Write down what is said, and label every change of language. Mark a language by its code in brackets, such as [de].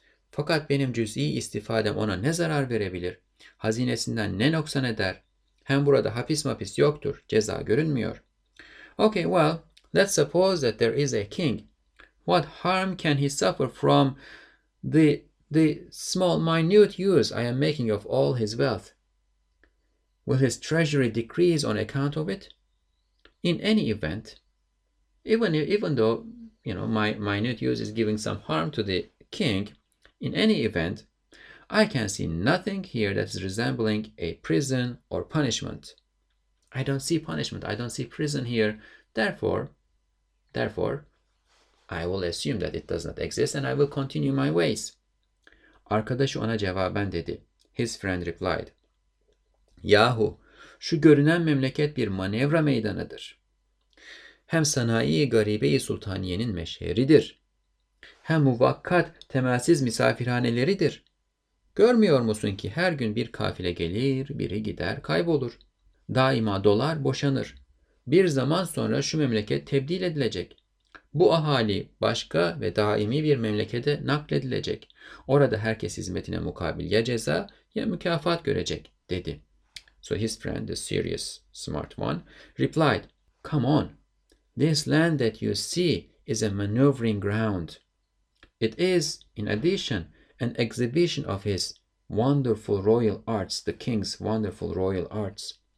[tr] Fakat benim cüz'i istifadem ona ne zarar verebilir? Hazinesinden ne noksan eder? Hem burada hapis mapis yoktur. Ceza görünmüyor. [en] Okay, well, let's suppose that there is a king. What harm can he suffer from the small, minute use I am making of all his wealth? Will his treasury decrease on account of it? In any event, even though my minute use is giving some harm to the king, in any event, I can see nothing here that is resembling a prison or punishment. I don't see punishment. I don't see prison here. Therefore, I will assume that it does not exist and I will continue my ways. [tr] Arkadaşı ona cevaben dedi. [en] His friend replied, [tr] Yahu, şu görünen memleket bir manevra meydanıdır. Hem sanayi garibe-i sultaniyenin meşheridir. Hem muvakkat temelsiz misafirhaneleridir. Görmüyor musun ki her gün bir kafile gelir, biri gider, kaybolur. Daima dolar boşanır. Bir zaman sonra şu memleket tebdil edilecek. Bu ahali başka ve daimi bir memlekete nakledilecek. Orada herkes hizmetine mukabil ya ceza ya mükafat görecek, dedi. [en] So his friend, the serious, smart one, replied, Come on, this land that you see is a maneuvering ground. It is, in addition, an exhibition of his wonderful royal arts, the king's wonderful royal arts.